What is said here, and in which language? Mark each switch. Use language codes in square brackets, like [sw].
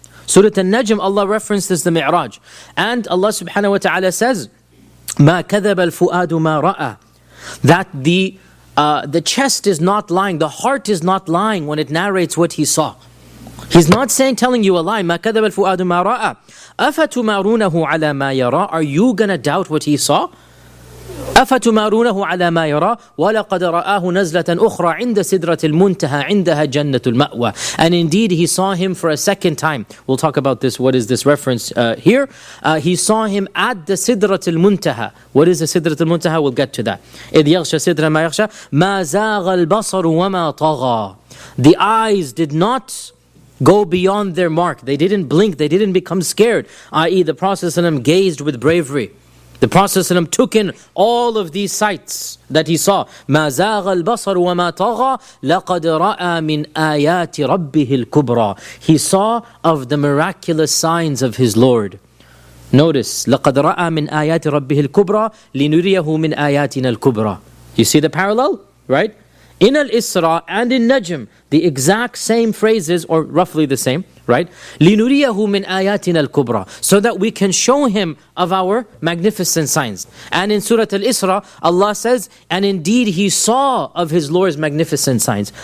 [en] Surah Al-Najm, Allah references the Mi'raj. And Allah subhanahu wa ta'ala says, [ar] مَا كَذَبَ الْفُؤَادُ مَا رَأَى, [en] that the chest is not lying, the heart is not lying when it narrates what he saw. He's not saying, telling you a lie. [ar] مَا كَذَبَ الْفُؤَادُ مَا رَأَى أَفَتُمَارُونَهُ عَلَى مَا يَرَى. [en] Are you going to doubt what he saw? [ar] أفتمارونه على ما يرى ولقد رآه نزلة أخرى عند سدرة المنتهى عندها جنة المأوى. [en] And indeed he saw him for a second time. We'll talk about this. What is this reference here? He saw him at the سدرة المنتهى. What is the سدرة المنتهى? We'll get to that. [ar] إذ يغشى سدرة ما يغشى ما زاغ البصر وما طغى. [en] The eyes did not go beyond their mark. They didn't blink. They didn't become scared. I.e. the Prophet ﷺ gazed with bravery. The Prophet ﷺ took in all of these sights that he saw. [ar] مَا زَاغَ الْبَصَرُ وَمَا طَغَى لَقَدْ رَأَى مِنْ آيَاتِ رَبِّهِ الْكُبْرَى. [en] He saw of the miraculous signs of his Lord. Notice, [ar] لَقَدْ رَأَى مِنْ آيَاتِ رَبِّهِ الْكُبْرَى لِنُرِيَهُ مِنْ آيَاتِنَا الْكُبْرَى. [en] You see the parallel, right? In Al-Isra and in Najm, the exact same phrases, or roughly the same, right? [ar] لِنُرِيَهُ مِنْ آيَاتِنَا الْكُبْرَى. [en] So that we can show him of our magnificent signs. And in Surah Al-Isra, Allah says, and indeed he saw of his Lord's magnificent signs.